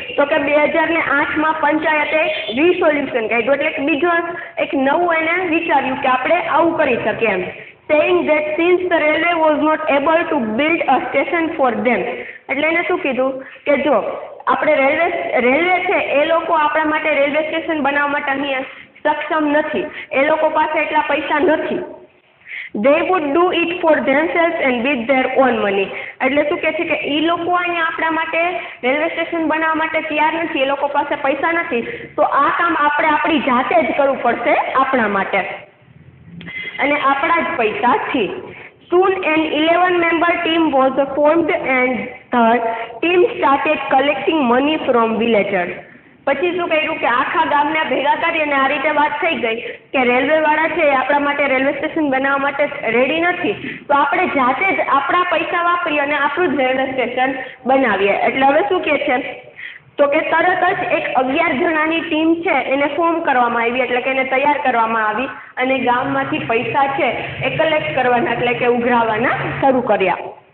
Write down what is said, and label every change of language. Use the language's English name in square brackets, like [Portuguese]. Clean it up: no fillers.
[Gujarati] તો કે 2008 માં પંચાયતે રિઝોલ્યુશન કાઢ્યું, એટલે કે બીજો એક નવું એને વિચાર્યું કે આપણે આવું કરી શકીએ એમ. [English] Saying that since the railway was not able to build a station for them. [Gujarati] એટલે એને શું કીધું કે જો આપણે રેલવે છે એ લોકો આપણા માટે રેલવે સ્ટેશન બનાવવા માટે અહીંયા સક્ષમ નથી, એ લોકો પાસે એટલા પૈસા નથી. [English] They would do it for themselves and with their own money. [Gujarati] એટલે શું કહે છે કે એ લોકો અહીંયા આપણા માટે રેલવે સ્ટેશન બનાવવા માટે તૈયાર નથી, એ લોકો પાસે પૈસા નથી, તો આ કામ આપણે આપણી જાતે જ કરવું પડશે આપણા માટે અને આપણા જ પૈસાથી. [English] Soon an 11 member team was formed and the team started collecting money from villagers. [Gujarati] પછી શું કર્યું કે આખા ગામને ભેગા કરી અને આ રીતે વાત થઈ ગઈ કે રેલવે વાળા છે આપણા માટે રેલવે સ્ટેશન બનાવવા માટે રેડી નથી, તો આપણે જાતે જ આપણા પૈસા વાપરી અને આપણું જ રેલવે સ્ટેશન બનાવીએ. એટલે હવે શું કહે છે? તો કે તરત જ એક 11 જણાની ટીમ છે એને ફોર્મ કરવામાં આવી, એટલે કે એને તૈયાર કરવામાં આવી, અને ગામમાંથી પૈસા છે એ કલેક્ટ કરવાના, એટલે કે ઉઘરાવવાના શરૂ કર્યા.